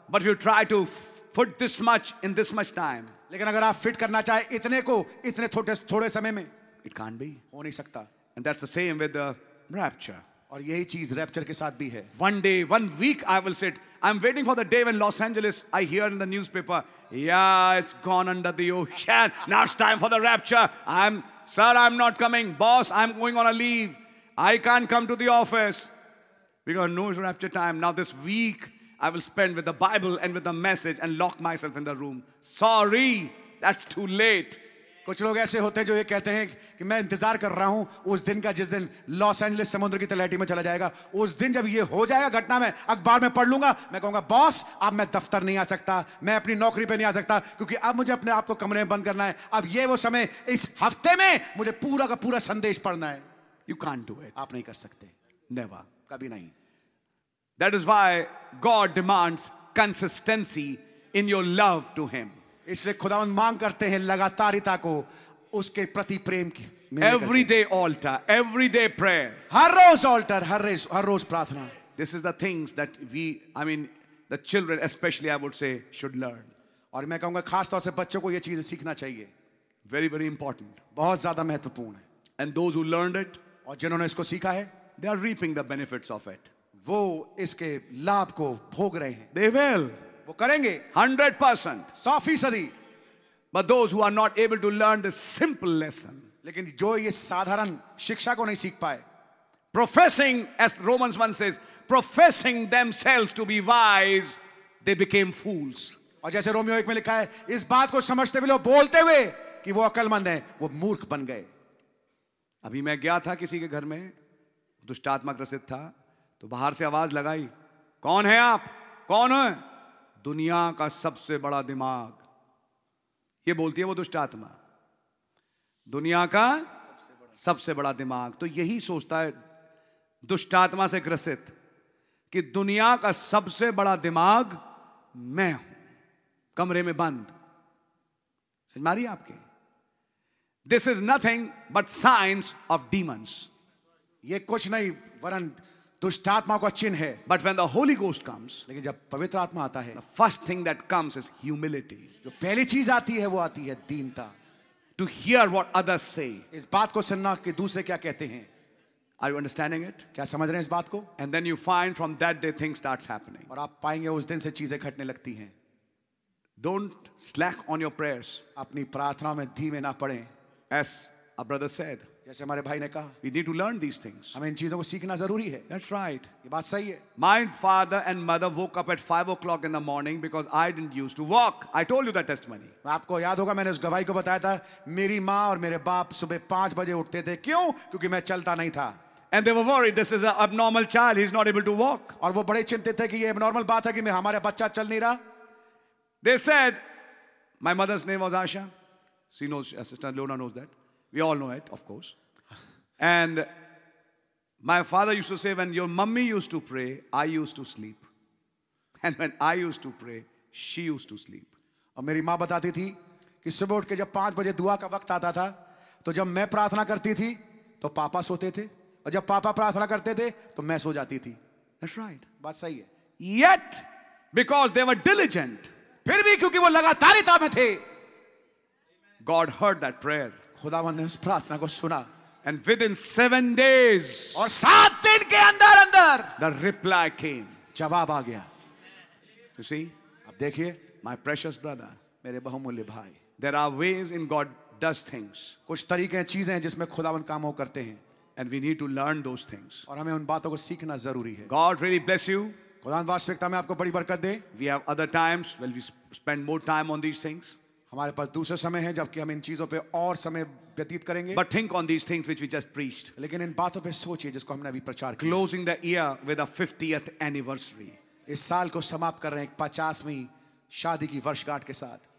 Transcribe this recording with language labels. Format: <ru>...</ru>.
<en>But you try to Put this much in this much time.</en> <hi>लेकिन अगर आप fit करना चाहे इतने को इतने थोड़े समय में.</hi> <en>It can't be.</en> <hi>हो नहीं सकता.</hi> <en>And that's the same with the rapture.</en> <hi>और यही चीज रैप्चर के साथ भी है.</hi> <en>One day, one week, I will sit. I'm waiting for the day when Los Angeles. I hear in the newspaper, yeah, it's gone under the ocean. Now it's time for the rapture. I'm not coming, boss. I'm going on a leave. I can't come to the office because no, it's rapture time. Now this week. I will spend with the Bible and with the message and lock myself in the room. Sorry, that's too late.</en> <hi>कुछ लोग ऐसे होते हैं जो ये कहते हैं कि मैं इंतजार कर रहा हूँ उस दिन का जिस दिन लॉस एंजलिस समुद्र की तलहटी में चला जाएगा. उस दिन जब ये हो जाएगा घटना में अखबार में पढ़ लूंगा मैं कहूंगा बॉस अब मैं दफ्तर नहीं आ सकता मैं अपनी नौकरी पे नहीं आ सकता क्योंकि अब मुझे अपने आप को कमरे में बंद करना है. अब ये वो समय इस हफ्ते में मुझे पूरा का पूरा संदेश पढ़ना है.</hi> <en>You can't do it.</en> <hi>आप नहीं कर सकते.</hi> <en>Never.</en> <hi>कभी नहीं.</hi> <en>That is why God demands consistency in your love to Him.</en> <hi>इसलिए खुदावंद मांग करते हैं लगातारिता को उसके प्रति प्रेम की.</hi> <en>Every day altar, every day prayer.</en> <hi>हर रोज altar, हर रोज प्रार्थना.</hi> <en>This is the things that we, the children especially, I would say, should learn.</en> <hi>और मैं कहूँगा खास तौर से बच्चों को ये चीजें सीखना चाहिए.</hi> <en>Very, very important.</en> <hi>बहुत ज़्यादा महत्वपूर्ण है.</hi> <en>And those who learned it,</en> <hi>और जिन्होंने इसको सीखा है,</hi> <en>they are reaping the benefits of it.</en> <hi>वो इसके लाभ को भोग रहे हैं.</hi> <en>They will.</en> <hi>वो करेंगे. 100%. 100%.</hi> <en>But those who are not able to learn this simple lesson.</en> <hi>लेकिन जो ये साधारण शिक्षा को नहीं सीख पाए.</hi> <en>Professing, as Romans 1 says, professing themselves to be wise, they became fools.</en> <hi>और जैसे रोमियो 1 में लिखा है इस बात को समझते हुए बोलते हुए कि वो अकलमंद है वो मूर्ख बन गए. अभी मैं गया था किसी के घर में दुष्टात्मा ग्रसित था तो बाहर से आवाज लगाई कौन है आप कौन है. दुनिया का सबसे बड़ा दिमाग ये बोलती है वो दुष्ट आत्मा. दुनिया का सबसे बड़ा दिमाग तो यही सोचता है दुष्ट आत्मा से ग्रसित कि दुनिया का सबसे बड़ा दिमाग मैं हूं कमरे में बंद. समझ में आ रही है आपके.</hi> <en>This is nothing but science of demons.</en> <hi>ये कुछ नहीं वरन दुष्टात्मा का चिन्ह है.</hi> <en>but when the Holy Ghost comes</en> <hi>लेकिन जब पवित्र आत्मा आता है</hi> <en>first thing that comes is humility</en> <hi>जो पहली चीज आती है वो आती है दीनता.</hi> <en>to hear what others say.</en> <hi>इस बात को सुनना कि दूसरे क्या कहते हैं.</hi> <en>Are you understanding it?</en> <hi>क्या समझ रहे हैं इस बात को?</hi> <en>And then you find from that day things starts happening.</en> <hi>और आप पाएंगे उस दिन से चीजें घटने लगती हैं.</hi> <en>Don't slack on your prayers.</en> <hi>अपनी प्रार्थनाओं में धीमे ना पड़ें.</hi> <en>As a brother said.</en> <hi>जैसे हमारे भाई ने कहा.</hi> <en>We need to learn these things.</en> <hi>हमें इन चीजों को सीखना जरूरी है.</hi> <en>That's right.</en> <hi>ये बात सही है.</hi> <en>My father and mother woke up at 5 o'clock in the morning because I didn't used to walk. I told you that testimony.</en> <hi>आपको याद होगा मैंने उस गवाही को बताया था. मेरी माँ और मेरे बाप सुबह 5 बजे उठते थे. क्यों? क्योंकि मैं चलता नहीं था.</hi> <en>And they were worried. This is an abnormal child. He's not able to walk.</en> <hi>और वो बड़े चिंतित थे कि ये abnormal बात है कि मैं हमारे बच्चा चल नहीं रहा.</hi> <en>They said, my mother's name was Asha. She knows, Sister Lona knows that. We all know it, of course. And my father used to say, when your mummy used to pray, I used to sleep. And when I used to pray, she used to sleep. And my mother used to say, that when I used to pray, when the time of prayer came at 5 o'clock, when I used to pray, then my father used to sleep. And when Papa used to pray, then I used to sleep. That's right. That's right. Yet, because they were diligent,</en> <hi>फिर भी क्योंकि वो लगातारिता में थे.</hi> <en>God heard that prayer.</en> <hi>खुदावन ने उस प्रार्थना को सुना.</hi> <en>And within 7 days,</en> <hi>और 7 दिन के अंदर अंदर,</hi> <en>the reply came.</en> <hi>जवाब आ गया.</hi> <en>You see?</en> <hi>अब देखिए.</hi> <en>My precious brother,</en> <hi>मेरे बहुमूल्य भाई,</hi> <en>there are ways in God does things.</en> <hi>कुछ तरीके हैं, चीजें हैं जिसमें खुदावन काम हो करते हैं.</hi> <en>And we need to learn those things.</en> <hi>और हमें उन बातों को सीखना जरूरी है.</hi> <en>God really bless you.</en> <hi>में आपको बड़ी बरकत दे.</hi> <en>We have other times when we spend more time on these things.</en> <hi>हमारे पास दूसरे समय है जबकि हम इन चीजों पे और समय व्यतीत करेंगे.</hi> <en>But think on these things which we just preached.</en> <hi>लेकिन इन बातों पे सोचिए जिसको हमने अभी प्रचार किया.</hi> <en>Closing the year with a 50th anniversary.</en> <hi>इस साल को समाप्त कर रहे हैं 50वीं शादी की वर्षगांठ के साथ.</hi>